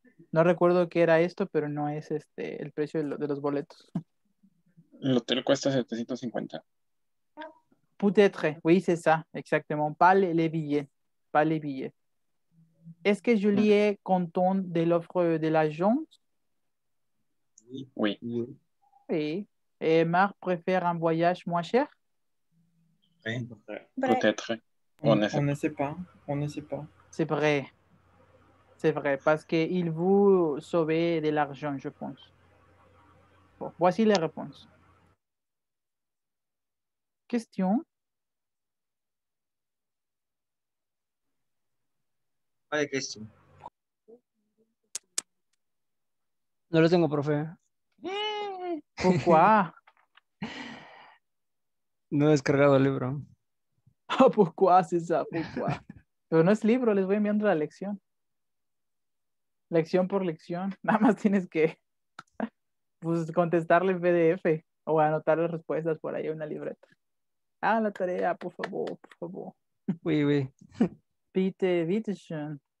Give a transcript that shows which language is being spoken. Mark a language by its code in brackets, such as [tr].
[es] No recuerdo qué era esto, pero no es el precio de los boletos. El hotel cuesta 750. [fr] Peut-être, oui, c'est ça, exactement. Pas les billets. Est-ce que Julie est contente de l'offre de l'agence? Oui. Et Marc préfère un voyage moins cher? Peut-être. On ne sait pas. C'est vrai, parce qu'il veut sauver de l'argent, je pense. Bon, voici les réponses. Question? Pas de question. [es] Non, le tengo, profe. [fr] Pourquoi? [es] No he descargado el libro. [fr] Oh, pourquoi, c'est ça, pourquoi? [es] Pero no es libro, les voy enviando la lección. Lección por lección. Nada más tienes que contestarle en PDF o anotar las respuestas por ahí en una libreta. Ah, la tarea, por favor. [fr] Oui. [de] Bitte schön.